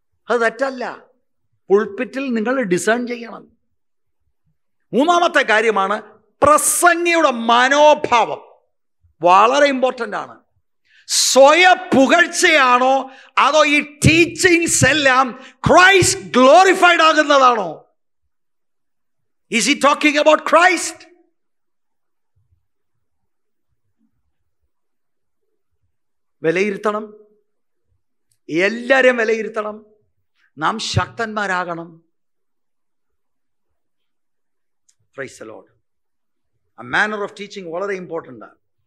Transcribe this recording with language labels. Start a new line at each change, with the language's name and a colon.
Malayalam: അത് തെറ്റല്ല, പുൾപിറ്റിൽ നിങ്ങൾ ഡിസേൺ ചെയ്യണം. മൂന്നാമത്തെ കാര്യമാണ് പ്രസംഗിയുടെ മനോഭാവം. വളരെ ഇമ്പോർട്ടൻ്റ് ആണ്. സ്വയ പുകഴ്ചയാണോ അതോ ഈ ടീച്ചിങ്സ് എല്ലാം Christ glorified ആകുന്നതാണോ?
English: Is he talking about Christ?
Malayalam: വിലയിരുത്തണം, എല്ലാവരെയും വിലയിരുത്തണം. നാം ശക്തന്മാരാകണം.
English: Praise the Lord. ആ manner of teaching
Malayalam: വളരെ
English: Important ആണ്.